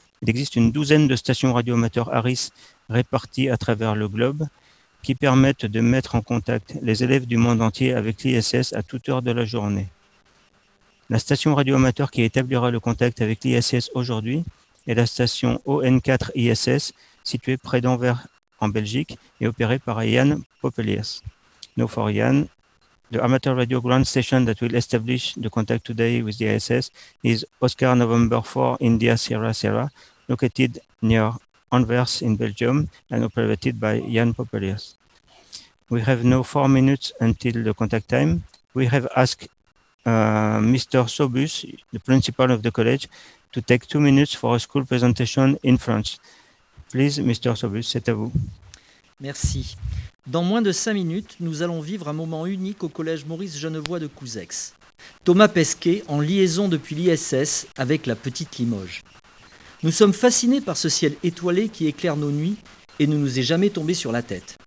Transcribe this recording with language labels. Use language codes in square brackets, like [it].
[fr] Il existe une douzaine de stations radio amateurs ARIS réparties à travers le globe qui permettent de mettre en contact les élèves du monde entier avec l'ISS à toute heure de la journée. La station radioamateur qui établira le contact avec l'ISS aujourd'hui est la station ON4-ISS, située près d'Anvers en Belgique et opérée par Yann Popelius. [en] Now for Yann, the amateur radio ground station that will establish the contact today with the ISS is Oscar November 4, India Sierra Sierra, located near Anvers in Belgium and operated by Yann Popelius. We have now 4 minutes until the contact time. We have asked Mr. Sobus, the principal of the college, to take 2 minutes for a school presentation in French. Please, Mr. Sobus, [fr] c'est à vous. Merci. Dans moins de 5 minutes, nous allons vivre un moment unique au Collège Maurice Genevoix de Couzex. Thomas Pesquet en liaison depuis l'ISS avec la petite Limoges. Nous sommes fascinés par ce ciel étoilé qui éclaire nos nuits et ne nous est jamais tombé sur la tête.